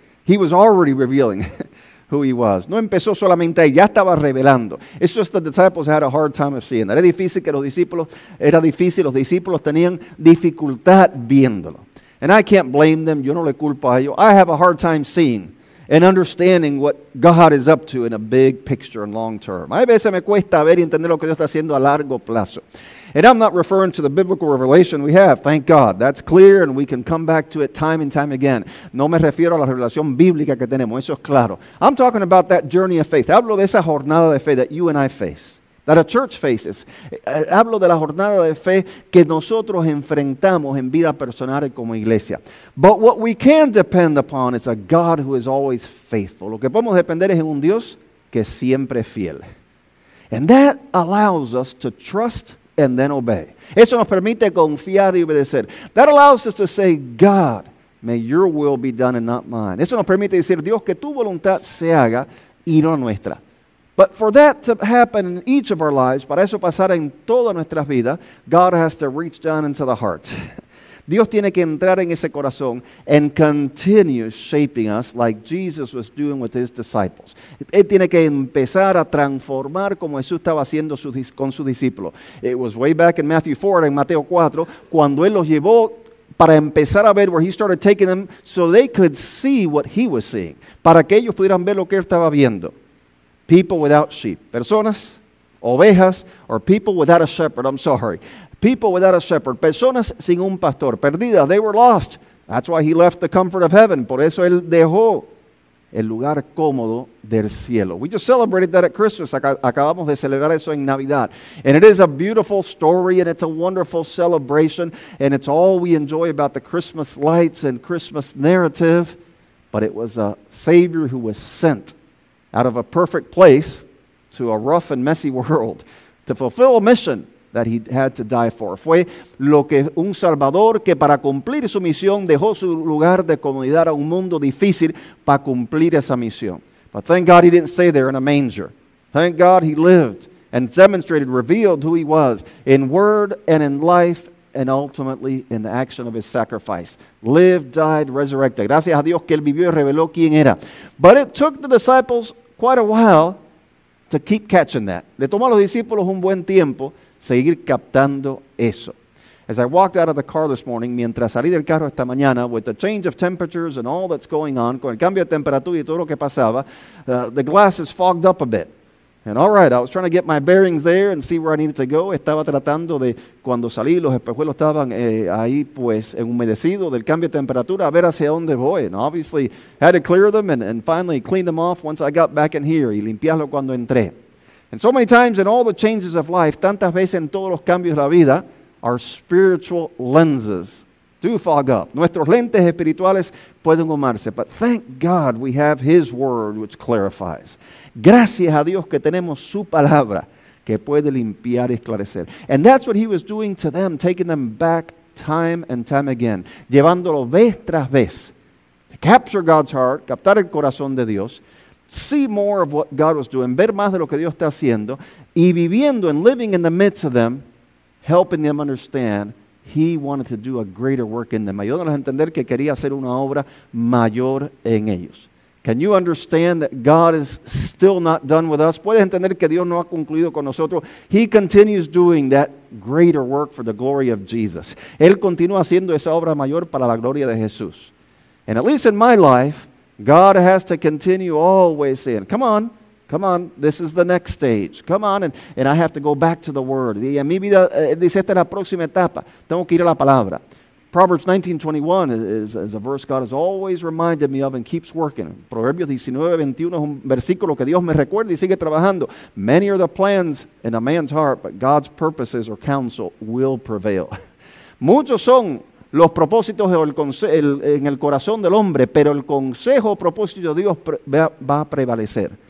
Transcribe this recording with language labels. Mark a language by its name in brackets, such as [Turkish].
[English] He was already revealing who He was. [Spanish] No empezó solamente ahí, ya estaba revelando. [English] It's just the disciples had a hard time of seeing that. [Spanish] Era difícil, los discípulos tenían dificultad viéndolo. [English] And I can't blame them, [Spanish] yo no le culpo a ellos. [English] I have a hard time seeing. and understanding what God is up to in a big picture and long term. [Spanish] Hay veces me cuesta ver y entender lo que Dios está haciendo a largo plazo. [English] And I'm not referring to the biblical revelation we have. Thank God. That's clear and we can come back to it time and time again. [Spanish] No me refiero a la revelación bíblica que tenemos. Eso es claro. [English] I'm talking about that journey of faith. [Spanish] Hablo de esa jornada de fe [English] that you and I face. That a church faces. [Spanish] Hablo de la jornada de fe que nosotros enfrentamos en vida personal como iglesia. [English] But what we can depend upon is a God who is always faithful. [Spanish] Lo que podemos depender es un Dios que siempre es fiel. [English] And that allows us to trust and then obey. [Spanish] Eso nos permite confiar y obedecer. [English] That allows us to say, God, may your will be done and not mine. [Spanish] Eso nos permite decir, Dios, que tu voluntad se haga y no nuestra. [English] But for that to happen in each of our lives, [Spanish] para eso pasar en todas nuestras vidas, [English] God has to reach down into the heart. [Spanish] Dios tiene que entrar en ese corazón [English] and continue shaping us like Jesus was doing with his disciples. [Spanish] Él tiene que empezar a transformar como Jesús estaba haciendo con sus discípulos. [English] It was way back in Matthew 4, [Spanish] en Mateo 4, cuando él los llevó para empezar a ver [English] where he started taking them so they could see what he was seeing, [Spanish] para que ellos pudieran ver lo que él estaba viendo. [English] People without sheep. [Spanish] Personas, ovejas, [English] or people without a shepherd. I'm sorry. People without a shepherd. [Spanish] Personas sin un pastor. Perdidas. [English] They were lost. That's why he left the comfort of heaven. [Spanish] Por eso él dejó el lugar cómodo del cielo. [English] We just celebrated that at Christmas. [Spanish] Acabamos de celebrar eso en Navidad. [English] And it is a beautiful story and it's a wonderful celebration. And it's all we enjoy about the Christmas lights and Christmas narrative. But it was a Savior who was sent out of a perfect place to a rough and messy world to fulfill a mission that he had to die for. [Spanish] Fue lo que un Salvador que para cumplir su misión dejó su lugar de comodidad a un mundo difícil para cumplir esa misión. [English] But thank God he didn't stay there in a manger. Thank God he lived and demonstrated, revealed who he was in word and in life and ultimately in the action of his sacrifice. Lived, died, resurrected. [Spanish] Gracias a Dios que él vivió y reveló quién era. [English] But it took the disciples quite a while to keep catching that. [Spanish] Le tomó a los discípulos un buen tiempo seguir captando eso. [English] As I walked out of the car this morning, [Spanish] mientras salí del carro esta mañana, [English] with the change of temperatures and all that's going on, [Spanish] con el cambio de temperatura y todo lo que pasaba, [English] the glasses fogged up a bit. And all right, I was trying to get my bearings there and see where I needed to go. [Spanish] Estaba tratando de, cuando salí, los espejuelos estaban ahí, pues, enhumedecido del cambio de temperatura, a ver hacia dónde voy. [English] And obviously, had to clear them and finally clean them off once I got back in here, [Spanish] y limpiarlo cuando entré. [English] And so many times in all the changes of life, [Spanish] tantas veces en todos los cambios de la vida, [English] our spiritual lenses do fog up. [Spanish] Nuestros lentes espirituales pueden humarse. [English] But thank God we have His Word which clarifies. [Spanish] Gracias a Dios que tenemos su palabra que puede limpiar y esclarecer. [English] And that's what He was doing to them, taking them back time and time again, [Spanish] llevándolo vez tras vez [English] to capture God's heart, [Spanish] captar el corazón de Dios, [English] see more of what God was doing, [Spanish] ver más de lo que Dios está haciendo, y viviendo [English] and living in the midst of them, helping them understand He wanted to do a greater work in them. [Spanish] Ayudándolos a entender que quería hacer una obra mayor en ellos. [English] Can you understand that God is still not done with us? [Spanish] ¿Puedes entender que Dios no ha concluido con nosotros? [English] He continues doing that greater work for the glory of Jesus. [Spanish] Él continúa haciendo esa obra mayor para la gloria de Jesús. [English] And at least in my life, God has to continue always saying, come on, come on, this is the next stage. Come on, and I have to go back to the Word. [Spanish] Y en mi vida, dice, esta es la próxima etapa. Tengo que ir a la palabra. [English] Proverbs 19:21 is a verse God has always reminded me of and keeps working. [Spanish] Proverbios 19:21 es un versículo que Dios me recuerda y sigue trabajando. [English] Many are the plans in a man's heart, but God's purposes or counsel will prevail. [Spanish] Muchos son los propósitos en el corazón del hombre, pero el consejo o propósito de Dios va a prevalecer.